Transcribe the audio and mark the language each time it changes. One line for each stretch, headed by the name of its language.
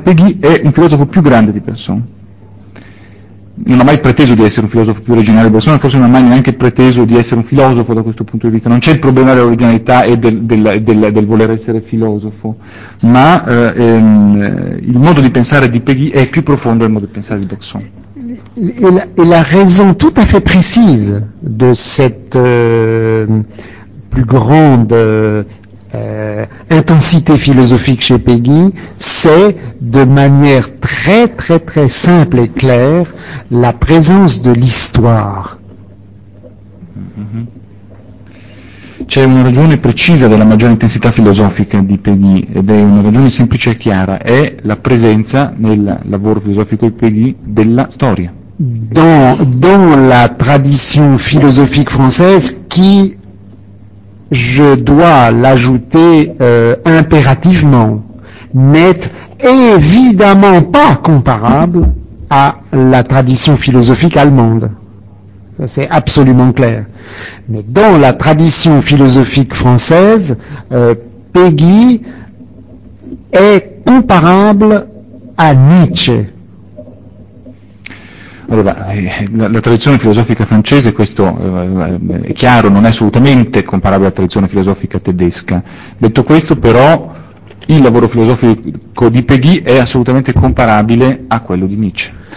Italian: Peggy è un filosofo più grande di Bergson. Non ha mai preteso di essere un filosofo più originale di Bergson, forse non ha mai neanche preteso di essere un filosofo da questo punto di vista. Non c'è il problema dell'originalità e del voler essere filosofo, ma il modo di pensare di Peggy è più profondo del modo di pensare di Bergson. E la ragione
French: tout à fait précise de cette plus grande intensité philosophique chez Peggy, c'est de manière très très très simple et claire la présence de l'histoire.
Italian: C'è una ragione precisa della maggiore intensità filosofica di Peggy, ed è una ragione semplice e chiara, è la presenza nel lavoro filosofico di Peggy della storia.
French: Dans la tradition philosophique française qui, je dois l'ajouter impérativement, n'est évidemment pas comparable à la tradition philosophique allemande. Ça, c'est absolument clair. Mais dans la tradition philosophique française, Peggy est comparable à Nietzsche.
Italian: Allora, la tradizione filosofica francese, questo è chiaro, non è assolutamente comparabile alla tradizione filosofica tedesca. Detto questo, però, il lavoro filosofico di Peggy è assolutamente comparabile a quello di Nietzsche.